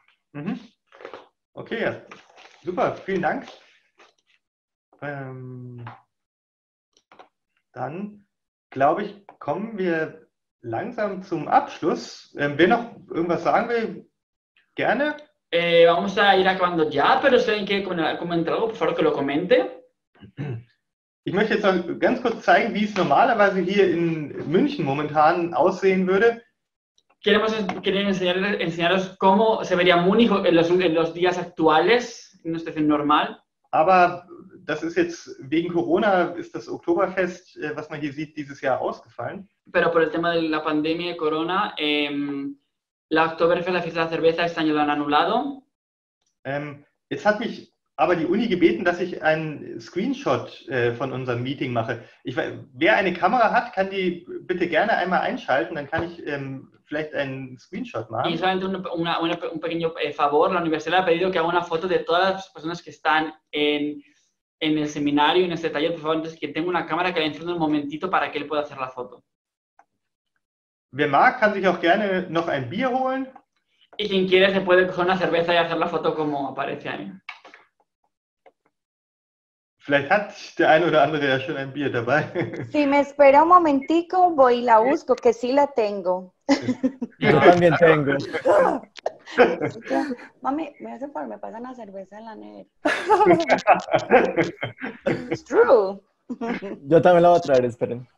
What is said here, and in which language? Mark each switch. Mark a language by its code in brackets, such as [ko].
[de] Mhm. Okay, ja. Super, vielen Dank. Dann glaube ich, kommen wir langsam zum Abschluss. Wer noch irgendwas sagen will, gerne. [es] Vamos a ir acabando ya, pero si alguien quiere comentar algo, por favor que lo comente. [de] Ich möchte jetzt noch ganz kurz zeigen, wie es normalerweise hier in München momentan aussehen würde. [es] Queremos enseñaros cómo se vería Múnich en los días actuales, en una situación normal. [de] Aber das ist jetzt wegen Corona, ist das Oktoberfest, was man hier sieht, dieses Jahr ausgefallen. [es] Pero por el tema de la pandemia de Corona, la Oktoberfest, la fiesta de la cerveza, este año lo han anulado. [de] Jetzt hat mich aber die Uni gebeten, dass ich einen Screenshot von unserem Meeting mache. Wer eine Kamera hat, kann die bitte gerne einmal einschalten, dann kann ich vielleicht einen Screenshot machen. [es] Y solamente un pequeño favor, la universidad ha pedido que haga una foto de todas las personas que están en el seminario, en este taller, por favor, entonces que tenga una cámara que le encienda un momentito para que él pueda hacer la foto. [de] Wer mag, kann sich auch gerne noch ein Bier holen. [es] Y quien quiere se puede coger una cerveza y hacer la foto como aparece ahí. [de] Vielleicht hat der eine oder andere ja schon ein Bier dabei. [es] Si me espera un momentico, voy y la busco, que sí la tengo. Yo también tengo. Mami, me hace por, me pasan la cerveza en la nevera. [en] It's true. [es] Yo también la voy a traer, esperen.